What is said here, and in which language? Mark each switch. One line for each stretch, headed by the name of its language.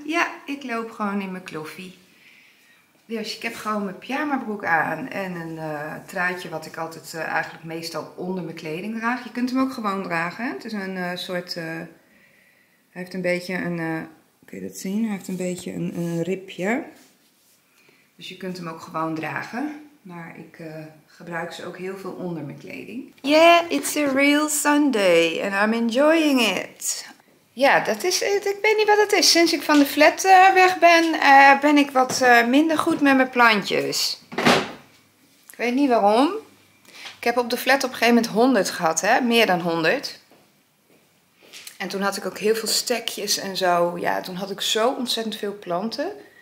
Dutch: Ja, ik loop gewoon in mijn kloffie. Dus ik heb gewoon mijn pyjama broek aan en een truitje wat ik altijd eigenlijk meestal onder mijn kleding draag. Je kunt hem ook gewoon dragen. Het is een soort, hij heeft een beetje een, kun je dat zien? Hij heeft een beetje een ripje. Dus je kunt hem ook gewoon dragen. Maar ik gebruik ze ook heel veel onder mijn kleding.
English: Yeah, it's a real Sunday and I'm enjoying it.
Dutch: Ja, dat is het. Ik weet niet wat het is. Sinds ik van de flat weg ben, ben ik wat minder goed met mijn plantjes. Ik weet niet waarom. Ik heb op de flat op een gegeven moment 100 gehad, hè? Meer dan 100. En toen had ik ook heel veel stekjes en zo. Ja, toen had ik zo ontzettend veel planten.